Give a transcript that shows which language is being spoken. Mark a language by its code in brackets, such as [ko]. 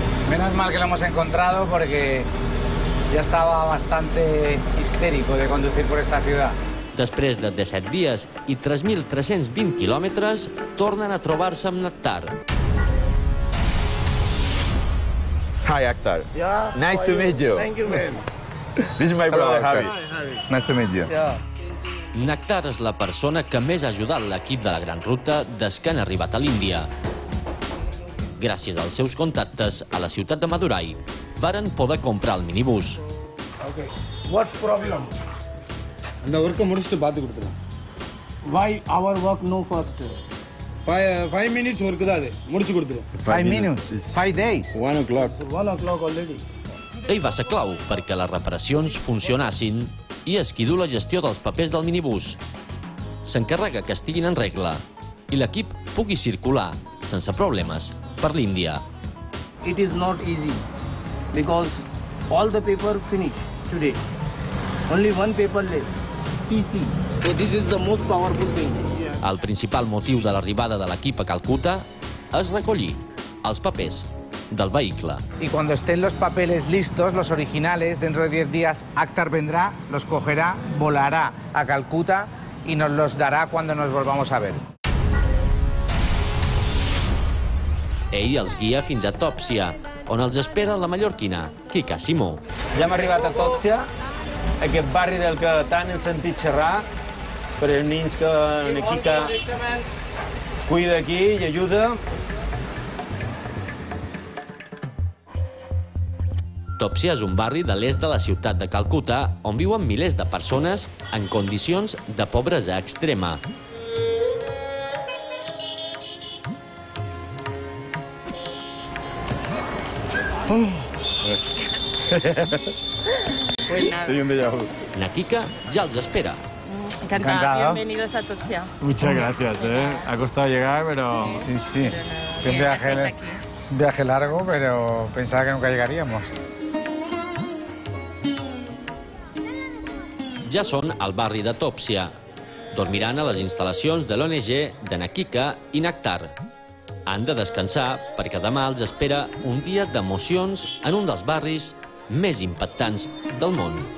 [es] Menos mal que lo hemos encontrado porque ya estaba bastante histérico de conducir por esta ciudad. [ca] Després de 17 dies i 3.320 quilòmetres, tornen a trobar-se amb Nektar. [en] Hi, Nektar. Yeah. Nice to meet you. Thank you, man. This is my brother, Hello, Javi. Nice to meet you. Yeah. [ca] Nektar és la persona que més ha ajudat l'equip de la Gran Ruta des que han arribat a l'Índia. Gràcies als seus contactes a la ciutat de Madurai, varen poder comprar el minibús. [en] Okay. What problem? [ta] அந்த ஒர்க்கை முடிச்சுட்டு பார்த்து கொடுத்துருவோம். [en] வை அவர் work no fast five minutes work [ta] தான் அது முடிச்சு கொடுத்துருவோம். [en] Five minutes five days one o'clock one o'clock already. [ca] Ell va ser clau perquè les reparacions funcionassin i és qui du la gestió dels papers del minibús. S'encarrega que estiguin en regla i l'equip pugui circular sense problemes per l'Índia. [en] It is not easy because all the paper finished today. Only one paper left. [ca] El principal motiu de l'arribada de l'equip a Calcuta és recollir els papers del vehicle. [es] Y cuando estén los papeles listos, los originales, dentro de 10 días, Nektar vendrá, los cogerá, volará a Calcuta y nos los dará cuando nos volvamos a ver. [ca] Ell els guia fins a Tòpsia, on els espera la mallorquina, Quica Simó. Ja hem arribat a Tòpsia. Aquest barri del que tant hem sentit xerrar, per els nins que en Quica cuida aquí i ajuda. Tòpsia és un barri de l'est de la ciutat de Calcuta on viuen milers de persones en condicions de pobresa extrema. Pues la Quica ja els espera. [es] Encantada. Bienvenidos a Tòpsia. Muchas gracias, ¿eh? Ha costado llegar, pero... Sí, sí. Sí. No, sí un viaje, es un viaje largo, pero pensaba que nunca llegaríamos. [ca] Ja són al barri de Tòpsia. Dormiran a les instal·lacions de l'ONG de Quica i Nektar. Han de descansar perquè demà els espera un dia d'emocions en un dels barris més impactants del món.